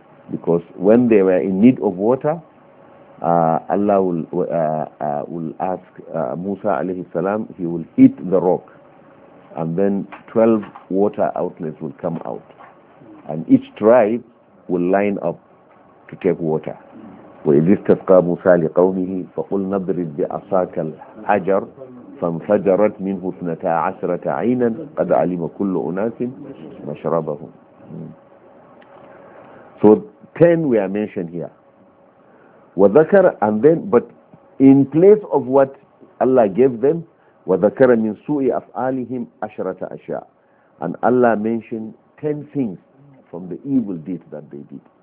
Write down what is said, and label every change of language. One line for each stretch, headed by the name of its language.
English: Because when they were in need of water, Allah will ask Musa alayhi salam, he will hit the rock, and then 12 water outlets will come out, and each tribe will line up to take water.
Arabic: وإذ استسقى موسى لقومه فقل نضرب بعصاك الحجر فانفجرت منه اثنتا عشرة عينا قد علم كل أناس مشربهم.
English: So 10 we are mentioned here. وذكر, and then, but in place of what Allah gave them,
Arabic: وذكر من سوء أفعالهم عشرة أشياء.
English: And Allah mentioned 10 things from the evil deeds that they did.